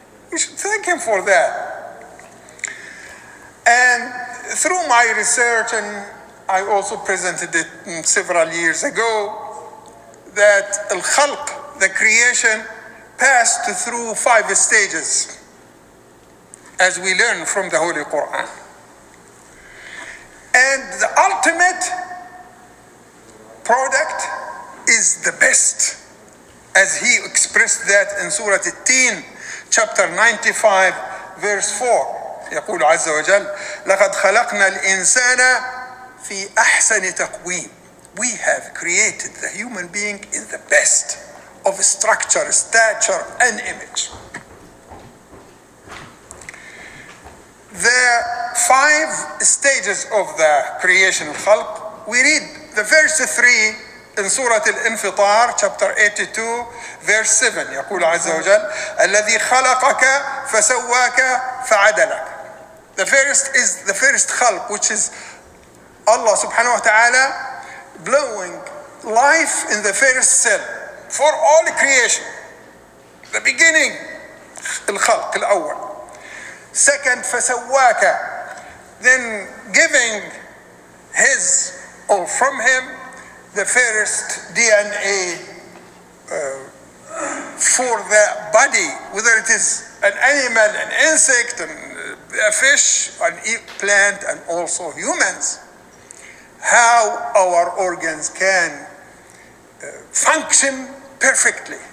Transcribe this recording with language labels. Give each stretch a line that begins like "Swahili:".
English: We should thank Him for that. And through my research, and I also presented it several years ago, that al-khalq, the creation, passed through five stages, as we learn from the Holy Quran. And the ultimate product is the best, as he expressed that in Surah At-Tin, chapter 95, verse 4.
Arabic: يقول عز وجل لقد خلقنا الإنسان في أحسن تقويم.
English: We have created the human being in the best of structure, stature, and image. The five stages of the creation of khalq, we read the verse 3 in Surah Al-Infitar, chapter 82, verse 7.
Arabic: يقول عز وجل الذي خلقك فسواك فعدلك.
English: The first is the first khalq, which is Allah subhanahu wa ta'ala blowing life in the first cell for all creation. The beginning, al-khalq, al-awwal. Second, fasawwaka, then giving his or from him the first DNA for the body, whether it is an animal, an insect, a fish, an eat plant, and also humans, how our organs can function perfectly.